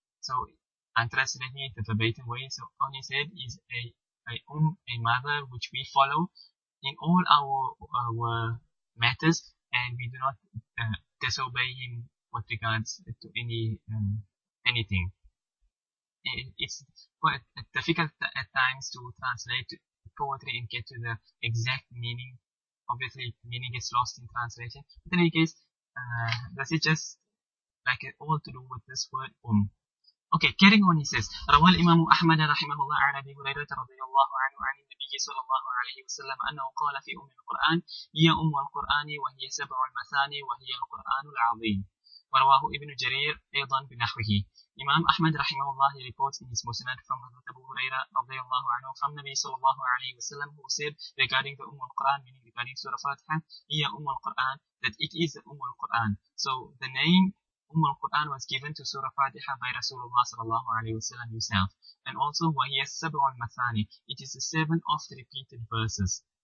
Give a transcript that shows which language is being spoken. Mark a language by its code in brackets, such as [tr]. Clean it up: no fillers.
[en] So, I'm translating it the verbatim way, so on his head is a mother which we follow in all our matters, and we do not disobey him with regards to anything. It's quite difficult at times to translate poetry and get to the exact meaning. Obviously, meaning is lost in translation. But in any case, this is just like all to do with this word Okay, carrying on, he says, [ar] روى الإمام أحمد رحمه الله عن أبي هريرة رضي الله عنه عن النبي صلى الله عليه وسلم أنه قال في أم القرآن هي أم القرآن وهي سبع المثاني وهي القرآن العظيم. ورواه ابن جرير أيضا بنحوه. [en] Imam Ahmad [ar] رحمه الله [en] reports in his Musnad from Abu Huraira [ar] رضي الله عنه [en] from Nabi [ar] صلى الله عليه وسلم [en] who said regarding the al-Quran, meaning regarding Surah Fatiha, [ar] هي أم القرآن, [en] that it is the al-Quran. So the name Umm al-Qur'an was given to Surah Fatiha by Rasulullah sallallahu alayhi wa sallam himself, and also wa hiya sab'u al-mathani, it is the seven oft repeated verses.